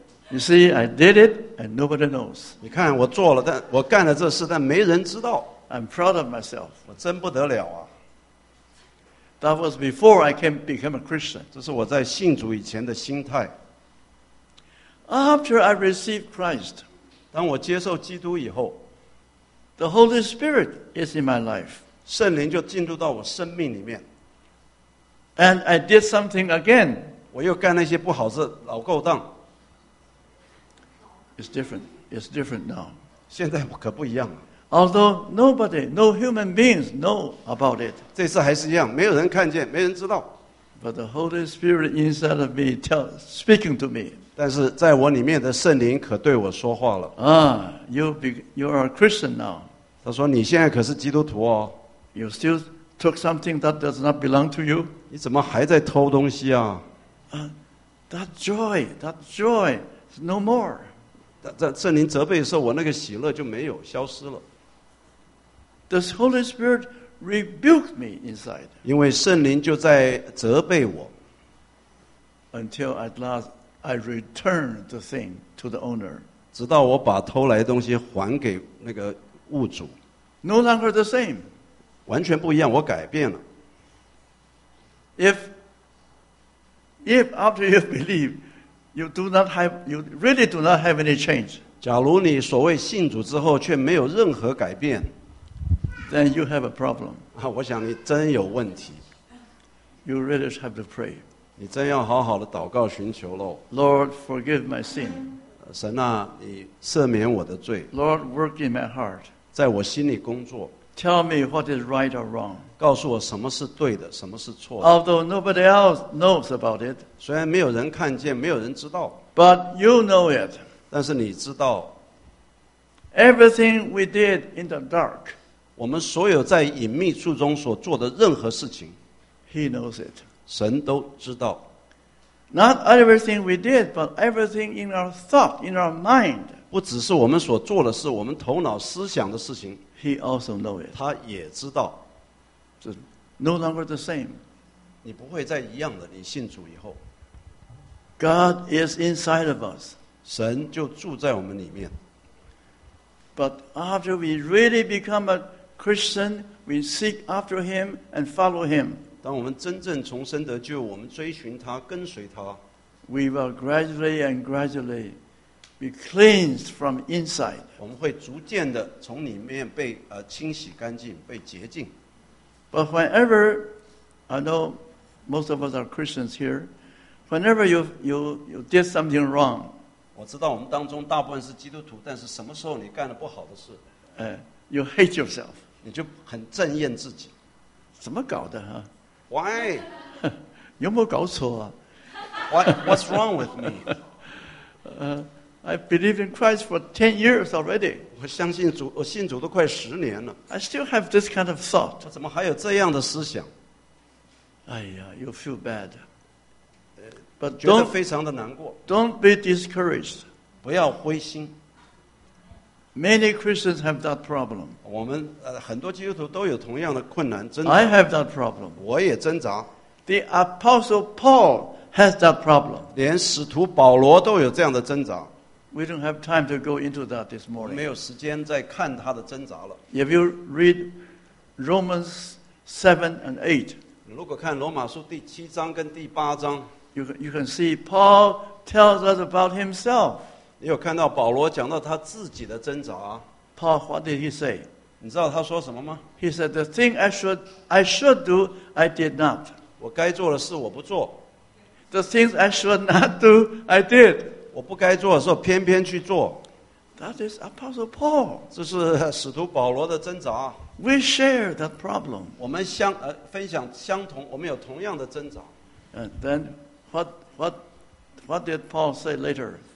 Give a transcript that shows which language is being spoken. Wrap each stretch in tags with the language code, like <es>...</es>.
<en>You see, I did it, and nobody knows.</en> <zh>你看，我做了，但我干了这事，但没人知道。</zh> <en>I'm proud of myself.</en> <zh>我真不得了啊。</zh> <en>That was before I came became a Christian.</en> <zh>这是我在信主以前的心态。</zh> <en>After I received Christ,</en> <zh>当我接受基督以后</zh> <en>，the Holy Spirit is in my life.</en> <zh>圣灵就进入到我生命里面。</zh> <en>And I did something again.</en> <zh>我又干了一些不好事，老勾当。</zh> <en>It's different. It's different now.</en> <zh>现在可不一样了。</zh> <en>Although nobody, no human beings know about it.</en> <zh>这次还是一样，没有人看见，没人知道。</zh> <en>But the Holy Spirit inside of me speaking to me.</en> <zh>但是在我里面的圣灵可对我说话了。</zh> <en>You are a Christian now.</en> <zh>他说你现在可是基督徒哦。</zh> <en>You still took something that does not belong to you.</en> <zh>你怎么还在偷东西啊？</zh> <en>That joy is no more.</en> <zh>在圣灵责备的时候，我那个喜乐就没有消失了。</zh> <en>The Holy Spirit rebuked me inside.</en> <zh>因为圣灵就在责备我。</zh> <en>Until at last I returned the thing to the owner.</en> <zh>直到我把偷来的东西还给那个物主。</zh> <en>No longer the same.</en> <zh>完全不一样，我改变了。</zh> <en>If after you believe. You really do not have any change.</en> <zh>假如你所谓信主之后却没有任何改变</zh> <en>，then you have a problem.</en> <zh>我想你真有问题。</zh> <en>You really have to pray.</en> <zh>你真要好好的祷告寻求喽。</zh> <en>Lord, forgive my sin.</en> <zh>神啊，你赦免我的罪。</zh> <en>Lord, work in my heart.</en> <zh>在我心里工作。</zh> <en>Tell me what is right or wrong.</en> <zh>告诉我什么是对的，什么是错的。</zh> <en>Although nobody else knows about it.</en> <zh>虽然没有人看见，没有人知道。</zh> <en>But you know it.</en> <zh>但是你知道。</zh> <en>Everything we did in the dark.</en> <zh>我们所有在隐秘处中所做的任何事情。</zh> <en>He knows it.</en> <zh>神都知道。</zh> <en>Not everything we did, but everything in our thought, in our mind.</en> <zh>不只是我们所做的事，我们头脑思想的事情。</zh> <en>He also knows it.</en> <zh>他也知道。</zh> <en>So, no longer the same.</en> <zh>你不会再一样的，你信主以后。</zh> <en>God is inside of us.</en> <zh>神就住在我们里面。</zh> <en>But after we really become a Christian, we seek after him and follow him.</en> <zh>当我们真正重生得救，我们追寻他，跟随他。</zh> <en>We will gradually and gradually be cleansed from inside.</en> <zh>我们会逐渐的从里面被清洗干净，被洁净。</zh> <en>But whenever, I know most of us are Christians here, whenever you did something wrong,</en> <zh>我知道我们当中大部分是基督徒，但是什么时候你干了不好的事？</zh> <en>You hate yourself.</en> <zh>你就很憎厌自己。怎么搞的啊</zh> <en>？Why?</en> <zh>有没有搞错啊</zh> <en>？What's wrong with me? I believe in Christ for 10 years already.</en> <zh>我相信主，我信主都快十年了。</zh> <en>I still have this kind of thought.</en> <zh>我怎么还有这样的思想？哎呀</zh> <en>，You feel bad. But</en> <zh>觉得非常的难过。</zh> <en>Don't be discouraged.</en> <zh>不要灰心。</zh> <en>Many Christians have that problem.</en> <zh>我们很多基督徒都有同样的困难挣扎。</zh> <en>I have that problem.</en> <zh>我也挣扎。</zh> <en>The Apostle Paul has that problem.</en> <zh>连使徒保罗都有这样的挣扎。</zh> <en>We don't have time to go into that this morning.</en> <zh>没有时间再看他的挣扎了。</zh> <en>If you read Romans 7 and 8,</en> <zh>如果看罗马书第七章跟第八章，</zh> <en>you can see Paul tells us about himself.</en> <zh>你有看到保罗讲到他自己的挣扎</zh> <en>？Paul, what did he say?</en> <zh>你知道他说什么吗</zh> <en>？He said the thing I should do, I did not.</en> <zh>我该做的事我不做。</zh> <en>The things I should not do, I did.</en> <zh>我不该做的事偏偏去做。</zh> <en>That is Apostle Paul.</en> <zh>这是使徒保罗的挣扎。</zh> <en>We share that problem.</en> <zh>我们分享相同，我们有同样的挣扎。</zh> <en>And then what did Paul say later?</en>